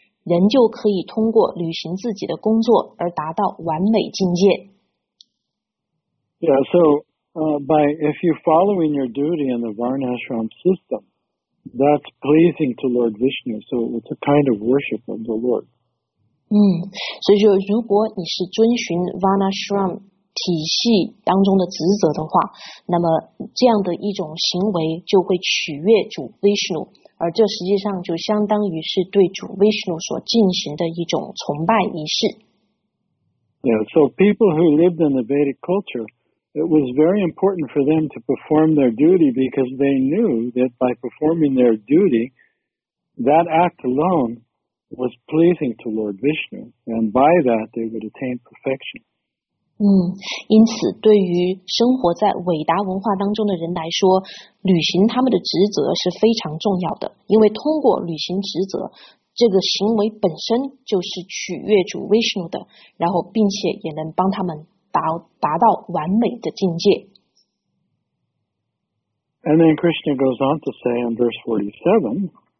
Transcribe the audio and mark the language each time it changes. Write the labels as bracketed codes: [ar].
[zh] 人就可以通过履行自己的工作而达到完美境界。 [en] Yeah, so if you're following your duty in the Varnashram system, that's pleasing to Lord Vishnu. So it's a kind of worship of the Lord. [zh] 所以就如果你是遵循 Varnashram 体系当中的职责的话，那么这样的一种行为就会取悦主 Vishnu。而这实际上就相当于是对主 Vishnu 所进行的一种崇拜仪式。 [en] Yeah, so people who lived in the Vedic culture, it was very important for them to perform their duty because they knew that by performing their duty, that act alone was pleasing to Lord Vishnu, and by that they would attain perfection. [zh] 因此对于生活在伟达文化当中的人来说，履行他们的职责是非常重要的，因为通过履行职责，这个行为本身就是取悦主 Vishnu 的，然后并且也能帮他们 达到完美的境界。 [en] And then Krishna goes on to say in verse 47,